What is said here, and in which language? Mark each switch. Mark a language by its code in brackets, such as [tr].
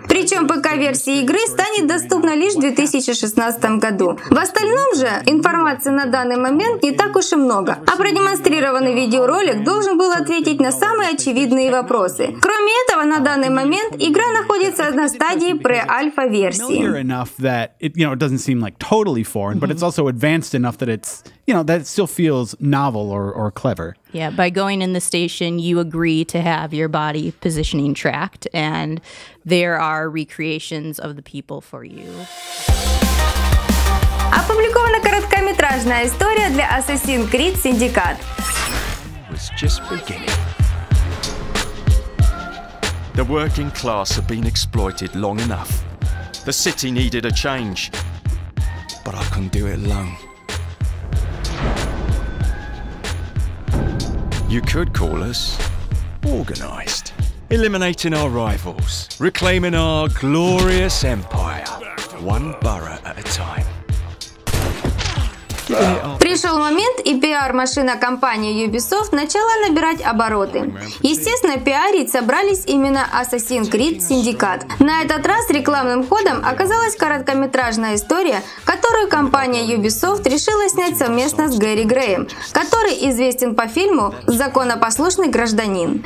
[ru] Причем ПК-версия игры станет доступна лишь в 2016 году. В остальном же информации на данный момент не так уж и много. А продемонстрированный видеоролик должен был ответить на самые очевидные вопросы. Кроме этого, на данный момент игра находится на стадии pre-alpha. [en] Familiar enough that it, you know, it doesn't seem like totally foreign, mm-hmm. but it's also advanced enough that it's, you know, that it still feels novel or clever. Yeah, by going in the station, you agree to have your body positioning tracked, and there are recreations of the people for you. [ru] Опубликована короткометражная история для Assassin's Creed Syndicate. [en] Was just beginning. The working class have been exploited long enough. The city needed a change, but I couldn't do it alone. You could call us organized, eliminating our rivals, reclaiming our glorious empire, one borough at a time. [ru] Пришел момент, и пиар-машина компании Ubisoft начала набирать обороты. Естественно, пиарить собрались именно Assassin's Creed Syndicate. На этот раз рекламным ходом оказалась короткометражная история, которую компания Ubisoft решила снять совместно с Гэри Греем, который известен по фильму «Законопослушный гражданин».